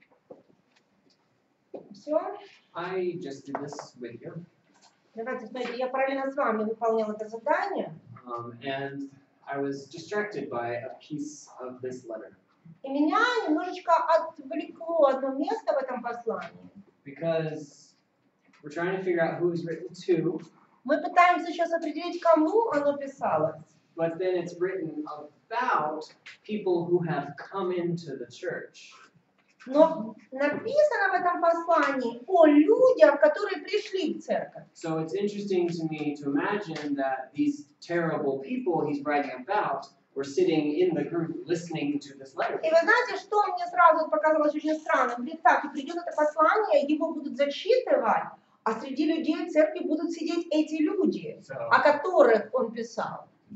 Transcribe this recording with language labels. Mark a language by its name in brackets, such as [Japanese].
[English] Okay. [Russian] Все? [English] I just did this with you. [Russian] Давайте, смотрите, я параллельно с вами выполнял это задание. [English] And I was distracted by a piece of this letter. [Russian] И меня немножечко отвлекло одно место в этом послании. [English] Because we're trying to figure out who is written to. [Russian] Мы пытаемся сейчас определить, кому оно писалось. [English] But then it's written about people who have come into the church. [Russian] Но написано в этом послании о людях, которые пришли в церковь. [English] So it's interesting to me to imagine that these terrible people he's writing about were sitting in the group listening to this letter. [Russian] И вы знаете, что мне сразу показалось очень странным? Говорит, так, и придет это послание, его будут зачитывать, а среди людей в церкви будут сидеть эти люди, о которых он писал.